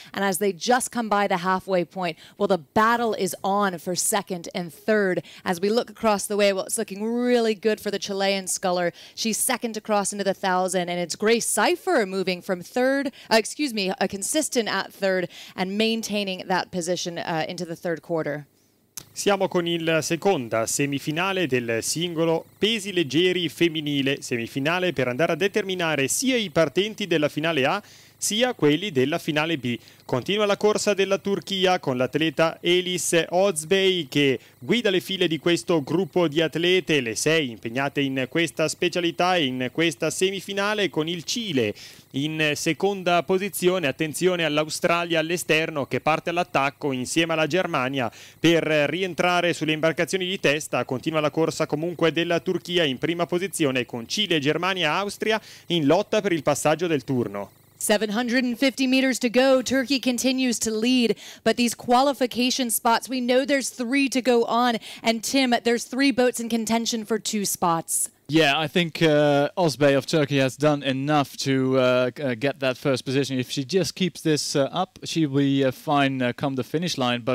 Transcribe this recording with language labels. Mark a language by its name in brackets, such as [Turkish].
[English] And as they just come by the halfway point, well, the battle is on for second and third. As we look across the way, well, it's looking really good for the Chilean sculler. She's second across into the 1,000, and it's Grace Cypher moving from third, consistent at third, and maintaining that position into the third quarter. [Italian] Siamo con il seconda semifinale del singolo pesi leggeri femminile, semifinale per andare a determinare sia i partenti della finale A sia quelli della finale B. Continua la corsa della Turchia con l'atleta İlis Özbey, che guida le file di questo gruppo di atlete, le sei impegnate in questa specialità e in questa semifinale, con il Cile in seconda posizione. Attenzione all'Australia all'esterno, che parte all'attacco insieme alla Germania per rientrare sulle imbarcazioni di testa. Continua la corsa comunque della Turchia in prima posizione, con Cile, Germania e Austria in lotta per il passaggio del turno. [English] 750 meters to go. Turkey continues to lead, but these qualification spots, we know there's three to go on. And Tim, there's three boats in contention for two spots. Yeah, I think Özbey of Turkey has done enough to get that first position. If she just keeps this up, she'll be fine come the finish line.